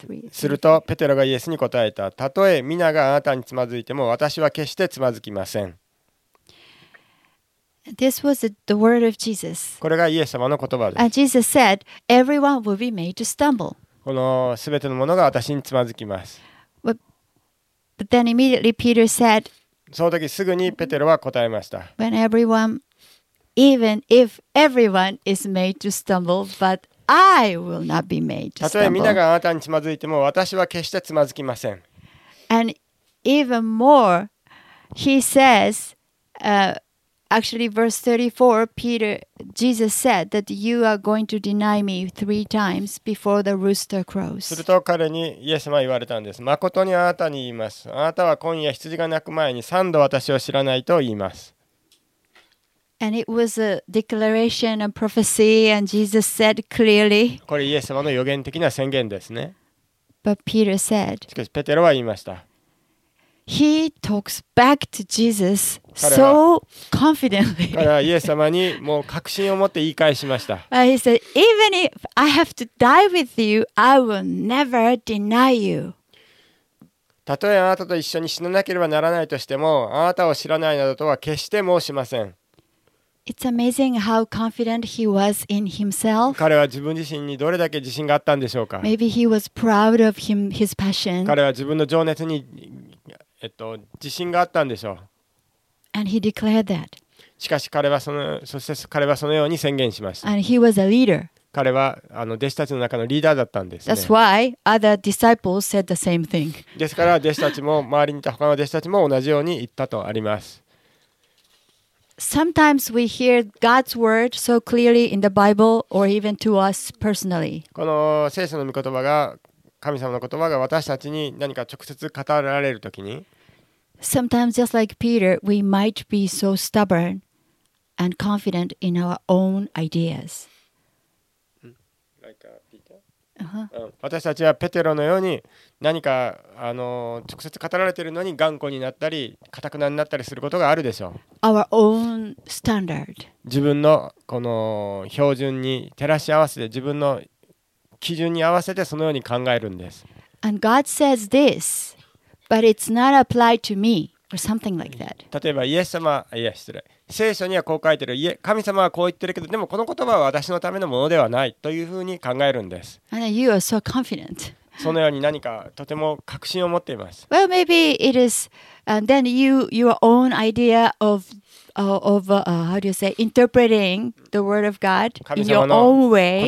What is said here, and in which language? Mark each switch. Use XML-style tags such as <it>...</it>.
<ja>するとペテロがイエスに答えた。たとえ皆があなたにつまずいても私は決してつまずきません。</ja> <en>This was the word of Jesus.</en> <ja>これがイエス様の言葉です。</ja> <en>And Jesus said, everyone will be made to stumble.</en> <ja>このすべてのものが私につまずきます。</ja> <en>But then immediately Peter said,</en> <ja>その時すぐにペテロは答えました。</ja> <en>When everyone, even if everyone is made to stumble, but I will not be made to stumble.</en> <ja>たとえみんながあなたにつまずいても私は決してつまずきません。</ja> <en>And even more, he says, actually verse 34, Peter, Jesus said that you are going to deny me three times before the rooster crows.</en> <ja>すると彼にイエス様は言われたんです。誠にあなたに言います。あなたは今夜羊が鳴く前に三度私を知らないと言います。</ja> <en>And it was a declaration and prophecy, and Jesus said clearly.</en> <ja>これイエス様の予言的な宣言ですね。</ja> <en>But Peter said.</en> <ja>しかしペテロは言いました。</ja> <en>He talks back to Jesus so confidently.</en> <ja>彼はイエス様にもう確信を持って言い返しました。</ja> <en>And he said, even if I have to die with you, I will never deny you.</en> <ja>たとえあなたと一緒に死ななければならないとしても、あなたを知らないなどとは決して申しません。</ja> <en>It's amazing how confident he was in himself.</en> <ja>彼は自分自身にどれだけ自信があったんでしょうか。</ja> <en>Maybe he was proud of him, his passion.</en> <ja>彼は自分の情熱に、自信があったんでしょう。</ja> <en>And he declared that.</en> <ja>しかし彼はそのように宣言しました。</ja> <en>And he was a leader.</en> <ja>彼は弟子たちの中のリーダーだったんですね。</ja> <en>That's why other disciples said the same thing.</en> <ja>ですから弟子たちも周りにいた他の弟子たちも同じように言ったとあります。</ja> <en>Sometimes we hear God's word so clearly in the Bible or even to us personally.</en> <ja>この聖書の御言葉が神様の言葉が私たちに何か直接語られるときに、</ja> <en>Sometimes just like Peter, we might be so stubborn and confident in our own ideas. Like Peter? Uh-huh.</en> <ja>私たちはペテロのように何か直接語られているのに頑固になったり固くなったりすることがあるでしょう。</ja> <en>Our own standard.</en> <ja>自分のこの標準に照らし合わせて自分の基準に合わせてそのように考えるんです。</ja> <en>And God says this, but it's not applied to me or something like that.</en> <ja>例えばイエス様、いや失礼。聖書にはこう書いてる。神様はこう言ってるけど、でもこの言葉は私のためのものではないというふうに考えるんです。</ja> <en>And you are so confident.</en> <ja>そのように何かとても確信を持っています。</ja> <en>Well, maybe it is, and then your own idea how do you say, interpreting the word of God in your own way.</en>